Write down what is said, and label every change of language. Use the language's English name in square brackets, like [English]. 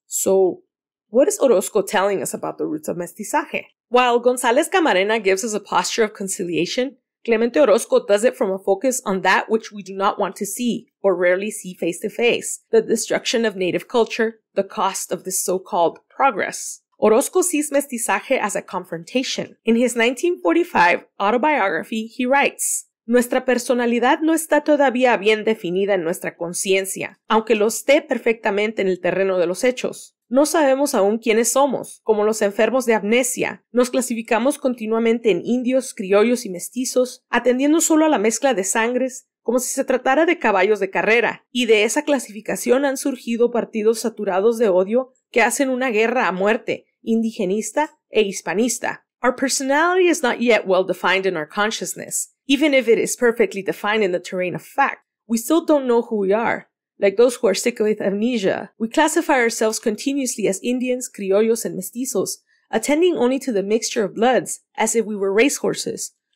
[English] So, what is Orozco telling us about the roots of mestizaje? While González Camarena gives us a posture of conciliation, Clemente Orozco does it from a focus on that which we do not want to see or rarely see face to face, the destruction of native culture, the cost of this so-called progress. Orozco sees mestizaje as a confrontation. In his 1945 autobiography, he writes, [Spanish] "Nuestra personalidad no está todavía bien definida en nuestra conciencia, aunque lo esté perfectamente en el terreno de los hechos. No sabemos aún quiénes somos, como los enfermos de amnesia. Nos clasificamos continuamente en indios, criollos y mestizos, atendiendo solo a la mezcla de sangres, como si se tratara de caballos de carrera. Y de esa clasificación han surgido partidos saturados de odio que hacen una guerra a muerte, indigenista e hispanista." [English] Our personality is not yet well defined in our consciousness, even if it is perfectly defined in the terrain of fact. We still don't know who we are. Like those who are sick with amnesia, we classify ourselves continuously as Indians, criollos, and mestizos, attending only to the mixture of bloods, as if we were racehorses.